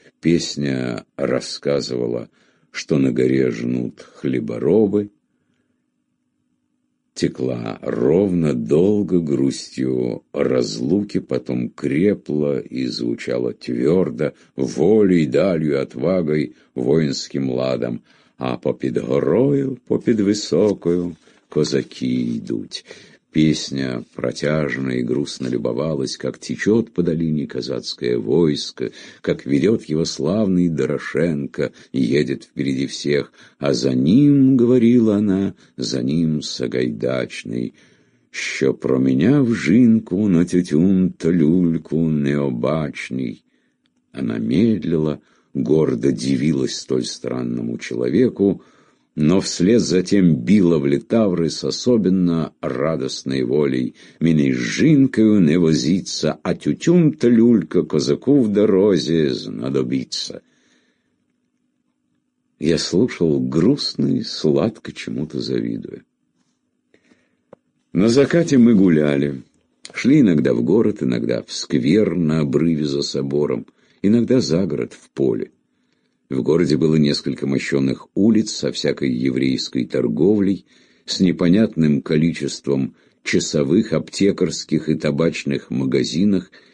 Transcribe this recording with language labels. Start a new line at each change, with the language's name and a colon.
Russian: Песня рассказывала, что на горе жнут хлеборобы. Текла ровно, долго, грустью разлуки, потом крепла и звучала твердо, волей, далью, отвагой, воинским ладом.
Ukrainian: «А попід горою, попід високою козаки йдуть».
Russian: Песня протяжно и грустно любовалась, как течет по долине казацкое войско, как ведет его славный Дорошенко, едет впереди всех, а за ним, — говорила она, — за ним сагайдачный,
Ukrainian: «що променяв жинку на тютюн та люльку необачний».
Russian: Она медлила, гордо дивилась столь странному человеку, но вслед затем била в литавры с особенно радостной волей.
Ukrainian: «Мене с жинкою не возиться, а тютюн та люлька козаку в дорозе знадобиться».
Russian: Я слушал грустно и сладко чему-то завидуя. На закате мы гуляли. Шли иногда в город, иногда в сквер на обрыве за собором, иногда за город, в поле. В городе было несколько мощенных улиц со всякой еврейской торговлей, с непонятным количеством часовых, аптекарских и табачных магазинов.